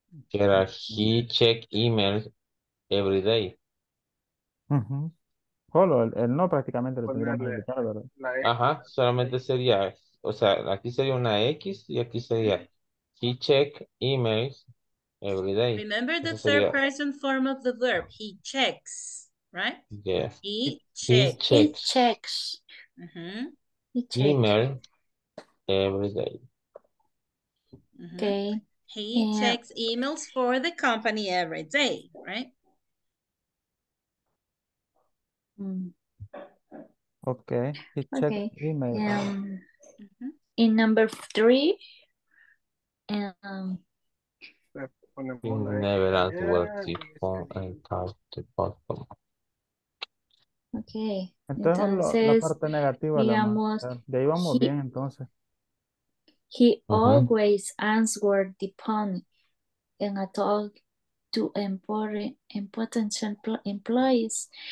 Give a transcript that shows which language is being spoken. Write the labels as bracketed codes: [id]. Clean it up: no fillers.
[es] Que era [en] he check email every day. [es] Solo el no prácticamente lo tendríamos que evitar, ¿verdad? Ajá, solamente sería. O sea, aquí sería una X y aquí sería [en] he check emails every day. Remember the third person form of the verb. He checks, right? Yes. He checks. Uh-huh. Email every day. Okay. He checks emails for the company every day, right? Okay. He checks emails. Yeah. In number three, he never answered the phone and talked to customer. Okay. [es] Entonces la parte negativa, digamos, de ahí vamos bien, entonces. [en] He always answered the phone and talked to important employees.